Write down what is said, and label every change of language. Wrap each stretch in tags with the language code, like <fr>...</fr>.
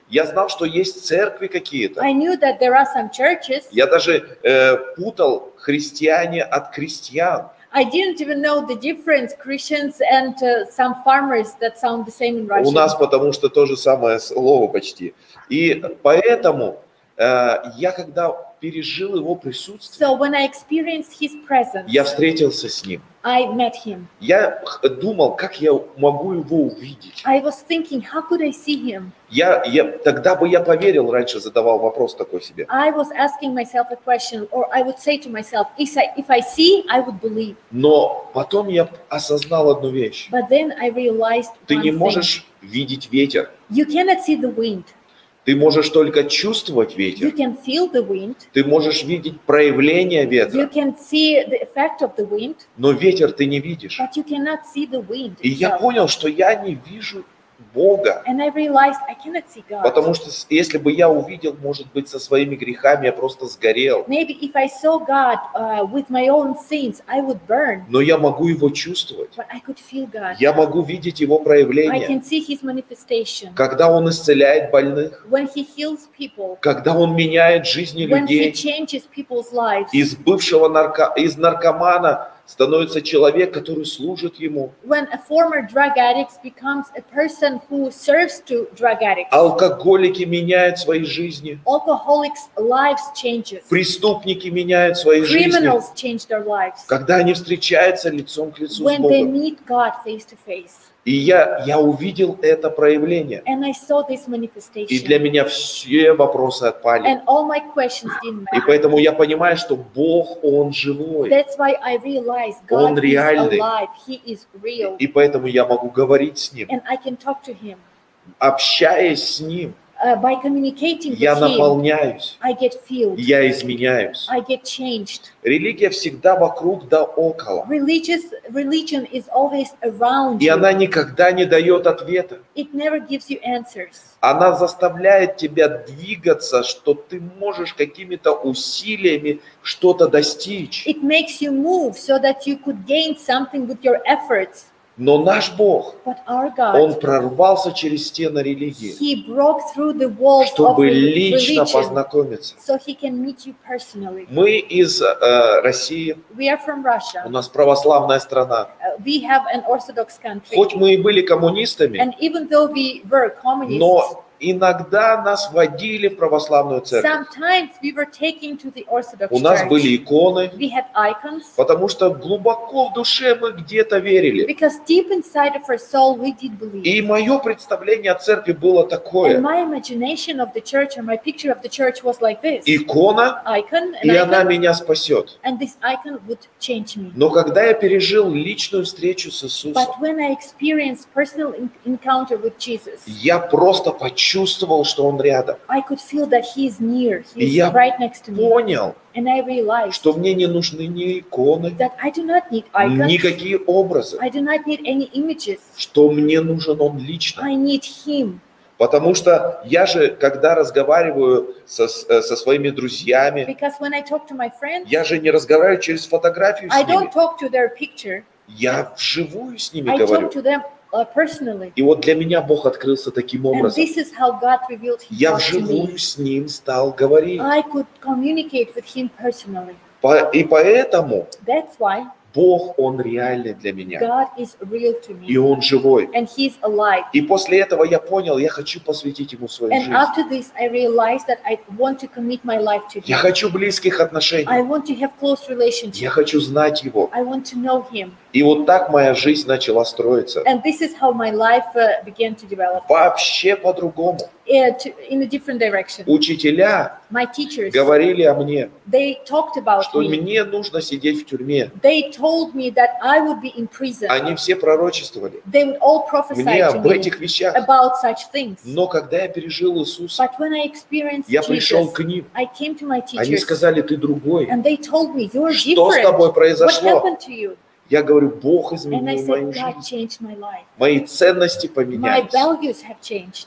<ru>Я знал, что есть церкви какие-то.</ru> <en>I knew that there are some churches.</en> <ru>Я даже путал христиане от крестьян.</ru> <en>I didn't even know the difference Christians and some farmers that sound the same in Russian.</en> <ru>У нас потому что то же самое слово почти. И поэтому я когда пережил его присутствие,</ru> <en>So when I experienced his presence,</en> <ru>я встретился с ним.</ru> <en>I met him.</en> <ru>Я думал, как я могу его увидеть.</ru> <en>I was thinking, how could I see him?</en> <ru>Я тогда бы я поверил, раньше задавал вопрос такой себе.</ru> <en>I was asking myself a question, or I would say to myself, if I see, I would believe.</en> <ru>Но потом я осознал одну вещь.</ru> <en>But then I realized one</en> <ru>thing. Ты не можешь видеть ветер.</ru> <en>You cannot see the wind.</en> <ru>Ты можешь только чувствовать ветер.</ru> <en>You can feel the wind.</en> <ru>Ты можешь видеть проявление ветра.</ru> <en>You can see the effect of the wind.</en> <ru>Но ветер ты не видишь.</ru> <en>But you cannot see the wind.</en> <ru>И я понял, что я не вижу Бога.</ru> <en>And I realized I cannot see God.</en> <ru>Потому что если бы я увидел, может быть, со своими грехами, я просто сгорел.</ru> <en>Maybe if I saw God with my own sins, I would burn.</en> <ru>Но я могу его чувствовать.</ru> <en>But I could feel God.</en> <ru>Я могу видеть его проявление.</ru> <en>I can see his manifestation.</en> <ru>Когда он исцеляет больных.</ru> <en>When he heals people.</en> <ru>Когда он меняет жизни людей.</ru> <en>When he changes people's lives.</en> <ru>Из бывшего из наркомана становится человек, который служит ему.</ru> <en>When a former drug addict becomes a person who serves to drug addicts.</en> <ru>Алкоголики меняют свои жизни.</ru> <en>Alcoholics' lives changes.</en> <ru>Преступники меняют свои</ru> <en>Criminals</en> <ru>жизни.</ru> <en>Criminals change their lives.</en> <ru>Когда они встречаются лицом к лицу</ru> <en>When</en> <ru>с Богом.</ru> <en>When they meet God face to face.</en> <ru>И я увидел это проявление.</ru> <en>And I saw this manifestation.</en> <ru>И для меня все вопросы отпали.</ru> <en>And all my questions didn't matter.</en> <ru>И поэтому я понимаю, что Бог, Он живой.</ru> <en>That's why I realized God</en> <ru>Он реальный.</ru> <en>Is alive. He is real.</en> <ru>И поэтому я могу говорить с Ним.</ru> <en>And I can talk to him.</en> <ru>Общаясь с Ним,</ru> <en>By communicating</en> <ru>я</ru> <en>with</en> <ru>наполняюсь.</ru> <en>I get filled.</en> <ru>Я изменяюсь.</ru> <en>I get changed.</en> <ru>Религия всегда вокруг да около.</ru> <en>Religion is always around</en> <ru>И</ru> <en>you.</en> <ru>Она никогда не дает ответа.</ru> <en>It never gives you answers.</en> <ru>Она заставляет тебя двигаться, что ты можешь какими-то усилиями что-то достичь.</ru> <en>It makes you move so that you could gain something with your efforts.</en> <ru>Но наш Бог,</ru> <en>But our God,</en> <ru>Он прорвался через стены религии,</ru> <en>he broke through the walls</en> <ru>чтобы</ru> <en>of religion,</en> <ru>лично познакомиться.</ru> <en>So he can meet you personally.</en> <ru>Мы из России.</ru> <en>We are from Russia.</en> <ru>У нас православная страна.</ru> <en>We have an Orthodox country.</en> <ru>Хоть мы и были коммунистами,</ru> <en>And even though we were communists,</en> <ru>но иногда нас водили в православную церковь.</ru> <en>Sometimes we were taken to the Orthodox Church.</en> <ru>У нас были иконы.</ru> <en>We had icons.</en> <ru>Потому что глубоко в душе мы где-то верили.</ru> <en>Because deep inside of our soul we did believe.</en> <ru>И мое представление о церкви было такое.</ru> <en>And my imagination of the church or my picture of the church was like this.</en> <ru>Икона.</ru> <en>Icon.</en> <ru>И она меня спасет.</ru> <en>And this icon would change me.</en> <ru>Но когда я пережил личную встречу с Иисусом.</ru> <en>But when I experienced personal encounter with Jesus.</en> <ru>Я просто почувствовал, что он рядом.</ru> <en>I could feel that he is near. He is right next to me.</en> <ru>Понял.</ru> <en>And I realized,</en> <ru>что мне не нужны ни иконы.</ru> <en>That I do not need icons.</en> <ru>Никакие образы.</ru> <en>I do not need any images.</en> <ru>Что мне нужен он лично.</ru> <en>I need him.</en> <ru>Потому что я же, когда разговариваю со своими друзьями,</ru> <en>because when I talk to my friends,</en> <ru>я же не разговариваю через фотографию с ними.</ru> <en>I don't talk to their picture.</en> <ru>Я вживую с ними</ru> <en>I</en> <ru>говорю.</ru> <en>Talk to them personally.</en> <ru>И вот для меня Бог открылся таким образом.</ru> <en>And this is how God revealed himself.</en> <ru>Я вживую с ним стал говорить.</ru> <en>I could communicate with him personally.</en> <ru>И поэтому</ru> <en>that's why</en> <ru>Бог, он реальный для меня.</ru> <en>God is real to me.</en> <ru>И он живой.</ru> <en>And he's alive.</en> <ru>И после этого я понял, я хочу посвятить ему свою</ru> <en>and</en> <ru>жизнь.</ru> <en>After this, I realized that I want to commit my life to him.</en> <ru>Я хочу близких отношений.</ru> <en>I want to have close relationships.</en> <ru>Я хочу знать его.</ru> <en>I want to know him.</en> <ru>И вот так моя жизнь начала строиться.</ru> <en>And this is how my life began to develop.</en> <ru>Вообще по-другому.</ru> <en>In a different direction.</en> <ru>Учителя</ru> <en>my teachers</en> <ru>говорили о мне,</ru> <en>they talked about</en> <ru>что</ru> <en>me.</en> <ru>Мне нужно сидеть в тюрьме.</ru> <en>They told me that I would be in prison.</en> <ru>Они все пророчествовали</ru> <en>they would all prophesy</en> <ru>мне об</ru> <en>to</en> <ru>этих</ru> <en>me</en> <ru>вещах.</ru> <en>About such things.</en> <ru>Но когда я пережил Иисуса,</ru> <en>but when I experienced</en> <ru>я пришел</ru> <en>Jesus,</en> <ru>к ним.</ru> <en>I came to my teachers.</en> <ru>Они сказали, ты другой.</ru> <en>And they told me, you're</en> <ru>что</ru> <en>different.</en> <ru>С тобой произошло?</ru> <en>What happened to you?</en> <ru>Я говорю, Бог изменил мою жизнь. Мои ценности поменялись.</ru>